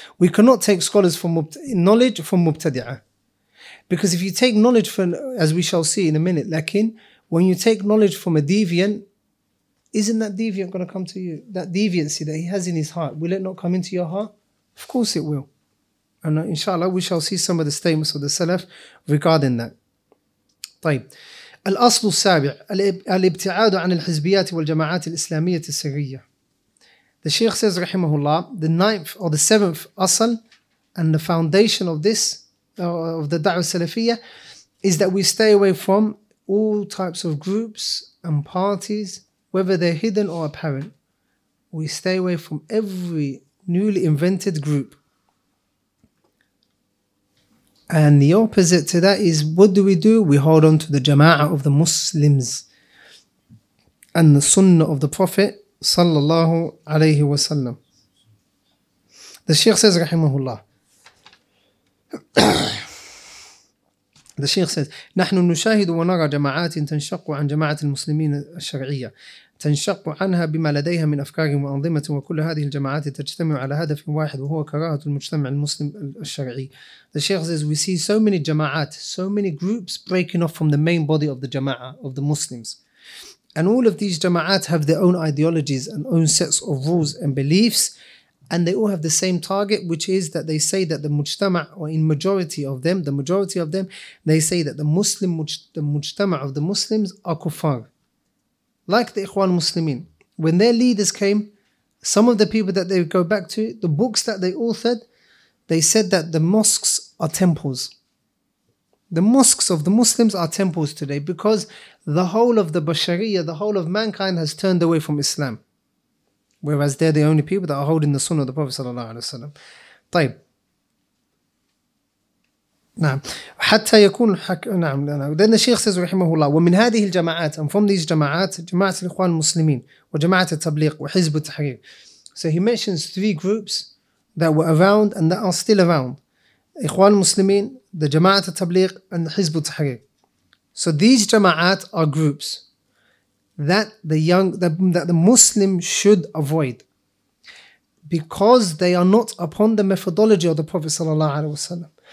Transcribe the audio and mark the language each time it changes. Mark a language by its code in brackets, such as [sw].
[en] We cannot take scholars from knowledge from Mubtadi'ah. Because if you take knowledge from, as we shall see in a minute, lakin, when you take knowledge from a deviant, isn't that deviant going to come to you? That deviancy that he has in his heart, will it not come into your heart? Of course it will. And inshallah, we shall see some of the statements of the Salaf regarding that. [ar] طيب. الأصل السابع الابتعاد عن الحزبيات والجماعات الإسلامية السرية. [en] The Sheikh says رحمه الله, the ninth or the seventh أصل and the foundation of this of the دعوة السلفية is that we stay away from all types of groups and parties, whether they're hidden or apparent. We stay away from every newly invented group. And the opposite to that is, what do? We hold on to the jama'ah of the Muslims and the sunnah of the Prophet sallallahu alayhi wa sallam. The Sheikh says, rahimahullah, the Sheikh says, [ar] نحن نشاهد ونرى جماعات تنشق عن جماعة المسلمين الشرعية تنشق عنها بما لديها من أفكار وأنظمة وكل هذه الجماعات تجتمع على هدف واحد وهو كراهة المجتمع المسلم الشرعي. [en] The Sheikh says, we see so many jama'at, so many groups breaking off from the main body of the jama'ah, of the Muslims. And all of these jama'at have their own ideologies and own sets of rules and beliefs. And they all have the same target, which is that they say that the mujtama', or in majority of them, the majority of them, they say that the Muslim, the mujtama' of the Muslims are kuffar. Like the Ikhwan Muslimin, when their leaders came, some of the people that they would go back to, the books that they authored, they said that the mosques are temples. The mosques of the Muslims are temples today, because the whole of the Bashariya, the whole of mankind, has turned away from Islam. Whereas they're the only people that are holding the Sunnah of the Prophet sallallahu alaihi wasallam. [ar] طيب. نعم حتى يكون حك... نعم نعم [en] then the Sheikh says [ar] رحمه الله ومن هذه الجماعات [en] and from these [ar] جماعات جماعة الإخوان المسلمين وجماعة التبليغ وحزب التحرير. [en] So he mentions three groups that were around and that are still around: إخوان المسلمين, the جماعة التبليغ, and the حزب التحرير. So these جماعات are groups that the Muslim should avoid because they are not upon the methodology of the Prophet [ar] صلى الله عليه وسلم.